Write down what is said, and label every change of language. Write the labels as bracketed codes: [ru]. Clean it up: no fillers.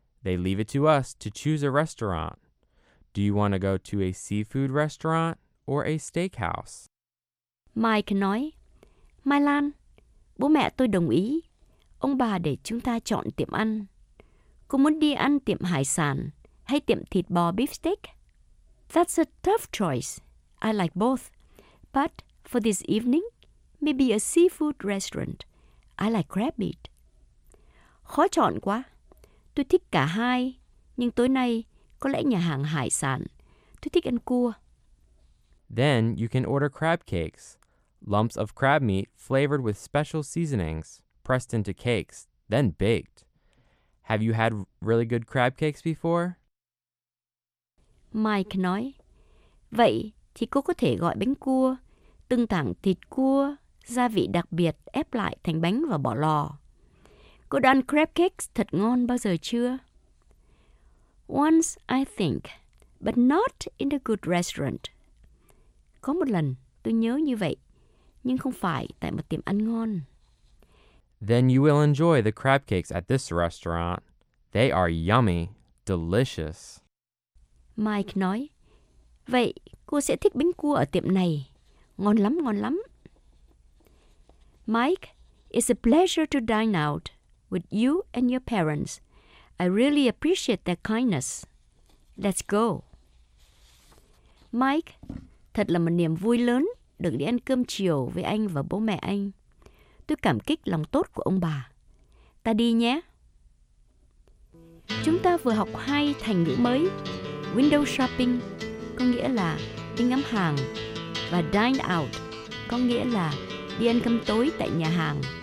[en] They leave it to us to choose a restaurant. Do you want to go to a seafood restaurant or a steakhouse? [vi] Mike nói, My land, bố mẹ tôi đồng ý. Ông bà để chúng ta chọn tiệm ăn. Cô muốn đi ăn tiệm hải sản hay tiệm thịt bò beefsteak? [en] That's a tough choice. I like both. But for this evening, maybe a seafood restaurant. I like crab meat. [vi] Khó chọn quá. Tôi thích cả hai. Nhưng tối nay, có lẽ nhà hàng hải sản. Tôi thích ăn cua. [en] Then you can order crab cakes. Lumps of crab meat flavored with special seasonings, pressed into cakes, then baked. Have you had really good crab cakes before? [vi] Mike nói, vậy thì cô có thể gọi bánh cua, từng tảng thịt cua, gia vị đặc biệt ép lại thành bánh và bỏ lò. Cô đã ăn crab cakes thật ngon bao giờ chưa? [en] Once, I think, but not in a good restaurant. [vi] Có một lần, tôi nhớ như vậy, nhưng không phải tại một tiệm ăn ngon. [en] Then you will enjoy the crab cakes at this restaurant. They are yummy, delicious. [vi] Mike nói, vậy cô sẽ thích bánh cua ở tiệm này. Ngon lắm, ngon lắm. [en] Mike, it's a pleasure to dine out with you and your parents. I really appreciate their kindness. Let's go. [vi] Mike, thật là một niềm vui lớn được đi ăn cơm chiều với anh và bố mẹ anh. Tôi cảm kích lòng tốt của ông bà. Ta đi nhé. Chúng ta vừa học hai thành ngữ mới. Window shopping có nghĩa là đi ngắm hàng, và dine out có nghĩa là đi ăn cơm tối tại nhà hàng.